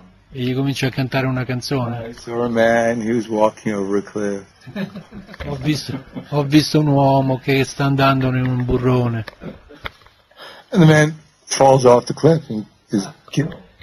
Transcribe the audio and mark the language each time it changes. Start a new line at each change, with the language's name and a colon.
Italian: E gli comincia a cantare una canzone.
English: I saw a man, he was walking over a cliff.
Italian: ho visto un uomo che sta andando in un burrone.
English: And the man falls off the cliff and is killed.